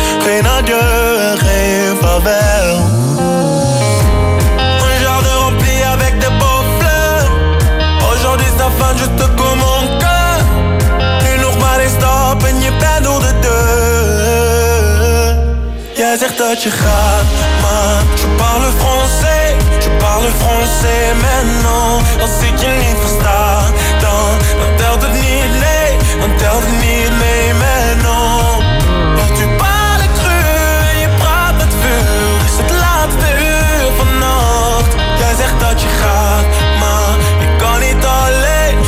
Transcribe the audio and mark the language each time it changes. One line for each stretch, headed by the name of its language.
Dutch: Geen adieu, geen vaarwel.
French: Un jour de rempli avec des beaux fleurs. Aujourd'hui c'est la fin, je te coupe mon cœur.
Dutch: Nu nog maar een stap en je bent door de deur. Jij zegt dat je gaat, maar
French: je parle français. Je parle français, mais non.
Dutch: Als ik je niet versta, dan telt het niet, nee, dan telt het niet mee,
French: mais non.
Dutch: Want
French: tu parles cru
Dutch: en je praat met vuur. Is het laatste uur vannacht. Jij zegt dat je gaat, maar ik kan niet alleen.